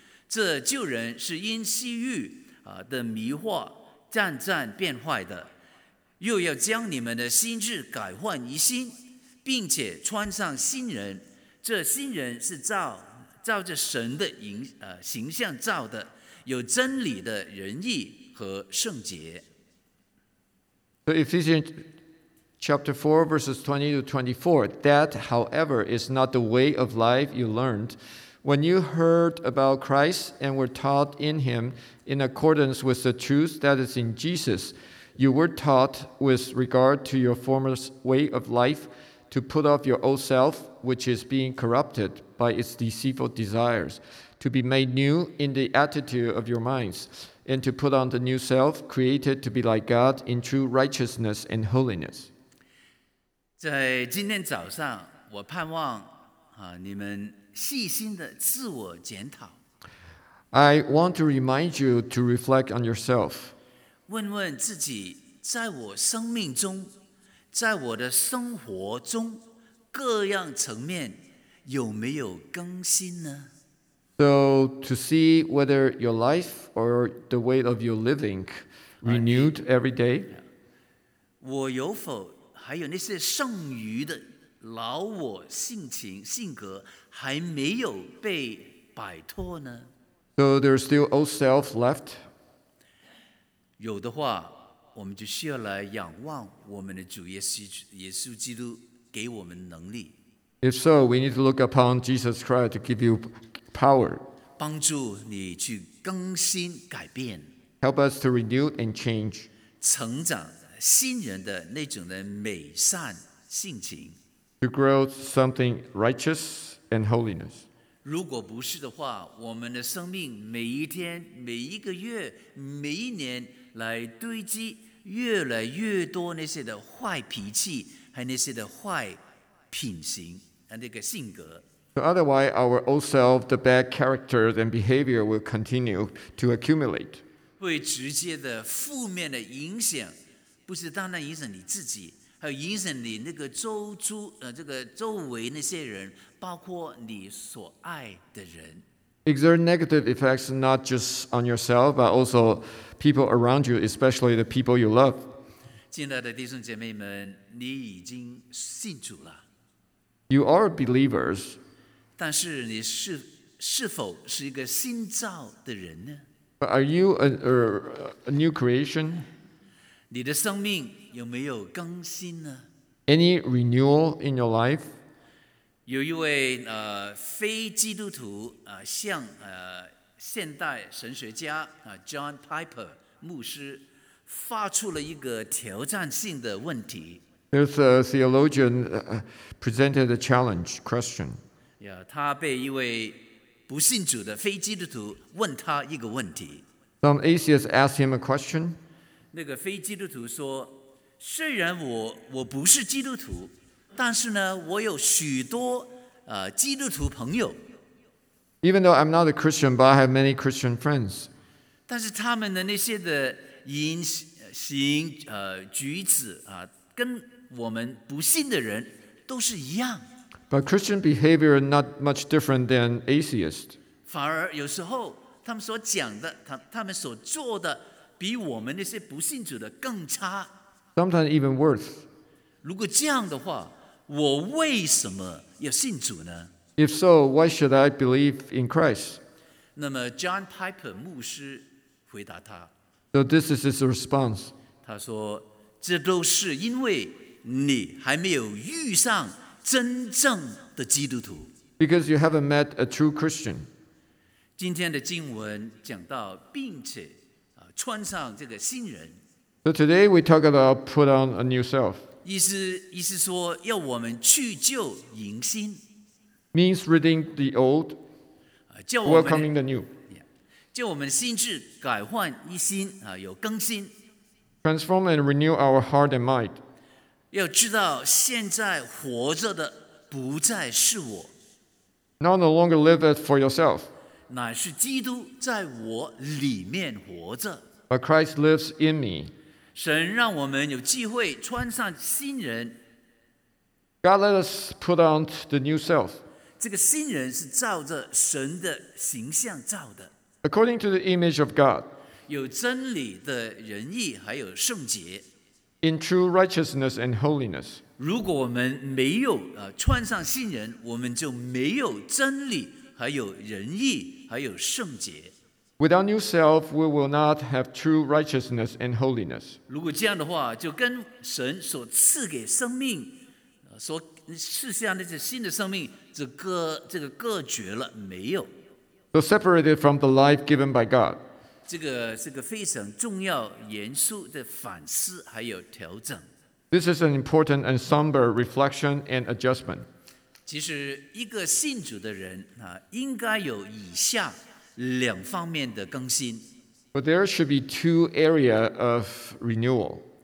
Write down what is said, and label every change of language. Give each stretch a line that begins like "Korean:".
Chinese: 这旧人是因私欲的迷惑渐渐变坏的，又要将你们的心智改换一新，并且穿上新人。这新人是照着神的形象造的，有真理的仁义和圣洁。
English: So Ephesians chapter 4 verses 20-24, that, however, is not the way of life you learned when you heard about Christ and were taught in him in accordance with the truth that is in Jesus. You were taught with regard to your former way of life to put off your old self, which is being corrupted by its deceitful desires, to be made new in the attitude of your minds. And to put on the new self, created to be like God in true righteousness and holiness.
Chinese: 在今天早上，我盼望你们细心的自我检讨。
English: I want to remind you to reflect on yourself.
Chinese: 问问自己，在我生命中，在我的生活中，各样层面有没有更新呢？
English: So to see whether your life or the way of your living renewed every day.
Chinese: 我有否还有那些剩余的老我性情性格还没有被摆脱呢？
English: So there's still old self left.
Chinese: 有的话，我们就需要来仰望我们的主耶稣基督给我们能力。
English: If so, we need to look upon Jesus Christ to give you. Power,
Chinese: 帮助你去更新改变
English: help us to renew and change,
Chinese: 成长新人的那种的美善性情
English: to grow something righteous and holiness.
Chinese: 如果不是的话，我们的生命每一天、每一个月、每一年来堆积越来越多那些的坏脾气和那些的坏品行和那个性格。
English: So otherwise, our old self, the bad characters and behavior will continue to accumulate.
Chinese: 会直接的负面的影响，不是单单影响你自己，还有影响你那个这个周围那些人，包括你所爱的人。
English: Exert negative effects not just on yourself, but also people around you, especially the people you love.
Chinese: 亲爱的弟兄姐妹们，你已经信主了。
English: You are believers.
Chinese: 但是你 是否是一个新造的人呢？
English: Are you a new creation?
Chinese: 你的生命有没有更新呢？
English: Any renewal in your life?
Chinese: 有一位非基督徒向现代神学家John Piper 牧师发出了一个挑战性的问题。
English: There's a theologian presented a challenge question.
Chinese: 他被一位不信主的非基督徒问他一个问题。
English: Some atheist asked him a question.
Chinese: 那个非基督徒说，虽然我不是基督徒，但是呢，我有许多基督徒朋友。
English: Even though I'm not a Christian, but I have many Christian friends.
Chinese: 但是他们的那些的言行举止跟我们不信的人都是一样。
English: But Christian behavior is not much different than atheist.
Chinese: 反而有时候他们所讲的 他们所做的比我们那些不信主的更差。
English: Sometimes even worse.
Chinese: 如果这样的话我为什么要信主呢？
English: If so, why should I believe in Christ?
Chinese: 那么 John Piper 牧师回答他。
English: So this is his response.
Chinese: 他说这都是因为你还没有遇上真正的基督徒。
English: Because you haven't met a true Christian.
Chinese: 今天的经文讲到并且穿上这个新人。
English: So today we talk about put on a new self.
Chinese: 意思说要我们去旧迎新。
English: Means ridding the old, welcoming the new.
Chinese: 叫我们心智改换一新，有更新。
English: Transform and renew our heart and mind.
Chinese: 要知道现在活着的不再是我。
English: Now no longer live it for yourself.
Chinese: 乃是基督在我里面活着。
English: But Christ lives in me.
Chinese: 神让我们有机会穿上新人。
English: God let us put on the new self.
Chinese: 这个新人是照着神的形象造的。
English: According to the image of God.
Chinese: 有真理的仁义还有圣洁。
English: In true righteousness and holiness.
Chinese: 如果我们没有穿上新人，我们就没有真理还有仁义还有圣洁。
English: Without new self, we will not have true righteousness and holiness.
Chinese: 如果这样的话，就跟神所赐给生命，所赐下那些新的生命，这个隔绝了，没有。
English: So separated from the life given by God.
Chinese: 这个非常重要、严肃的反思还有调整。
English: This is an important and somber reflection and adjustment.
Chinese: 其实一个信主的人应该有以下两方面的更新。
English: But there should be two areas of renewal.